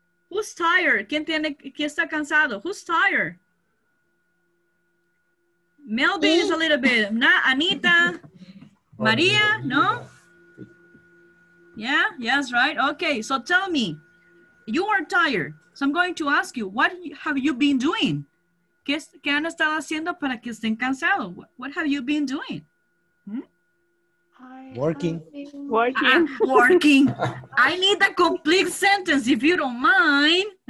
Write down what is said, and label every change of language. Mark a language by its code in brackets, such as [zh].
[en] Who's tired? [es] ¿Quién tiene, quién está cansado? [en] Who's tired? Melvin is a little bit. Not Anita. Maria, no? Yeah, yes, right. Okay, so tell me. You are tired. So I'm going to ask you, what have you been doing? [es] ¿Qué han estado haciendo para que estén cansados? [en] What have you been doing? I'm working. I need a complete sentence if you don't mind.